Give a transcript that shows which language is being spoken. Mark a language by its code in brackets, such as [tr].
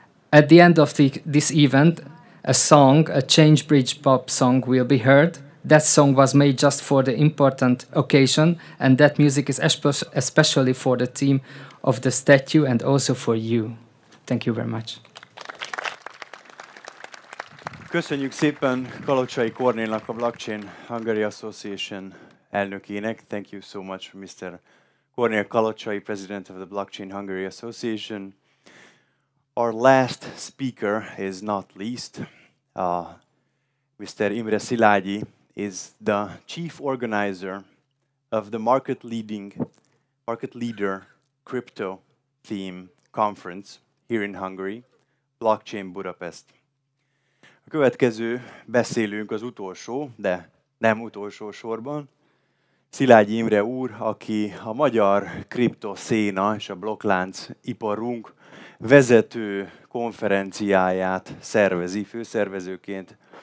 [en] At the end of this event, a song, a Change Bridge pop song, will be heard. That song was made just for the important occasion, and that music is especially for the theme of the statue and also for you. Thank you very much. [hu] Köszönjük szépen Kalocsai Kornélnak, a Blockchain Hungary Association elnökének. [en] Thank you so much, Mr. Kornél Kalocsai, President of the Blockchain Hungary Association. Our last speaker is not least. Mr. Imre Szilágyi is the chief organizer of the market leader crypto theme conference here in Hungary, Blockchain Budapest. [hu] A következő beszélünk az utolsó, de nem utolsó sorban. Szilágyi Imre úr, aki a magyar kripto széna és a blokklánc iparunk vezető konferenciáját szervezi főszervezőként.